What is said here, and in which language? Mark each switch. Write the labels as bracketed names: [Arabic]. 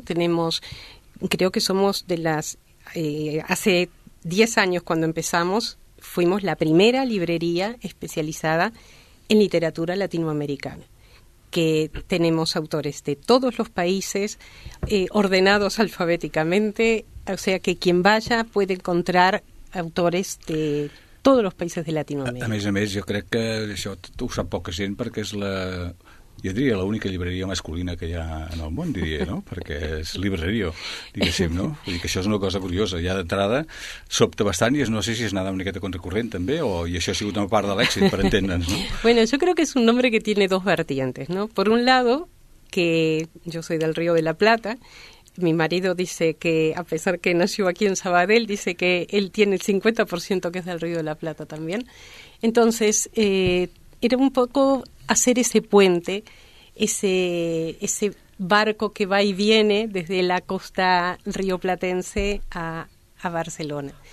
[Spanish] Tenemos, creo que somos de las, hace 10 años cuando empezamos, fuimos la primera librería especializada en literatura latinoamericana, que tenemos autores de todos los países, ordenados alfabéticamente, o sea que quien vaya puede encontrar autores de [Catalan] tots els països de Latinoamèrica. A més, jo crec que això ho sap poca gent perquè és la, jo diria, l'única llibreria masculina que hi ha en el món, diria, no? Perquè és Librerío, diguéssim, no? Vull dir que això és una cosa curiosa. Ja d'entrada sobta bastant i no sé si és anada una miqueta contracorrent també o i això ha sigut una part de l'èxit, per entendre'ns, no? [Spanish] Bueno, yo creo que es un nombre que tiene dos vertientes, ¿no? Por un lado, que yo soy del Río de la Plata, mi marido dice que, a pesar que nació aquí en Sabadell, dice que él tiene el 50% que es del Río de la Plata también. Entonces, era un poco hacer ese puente, ese barco que va y viene desde la costa rioplatense a Barcelona.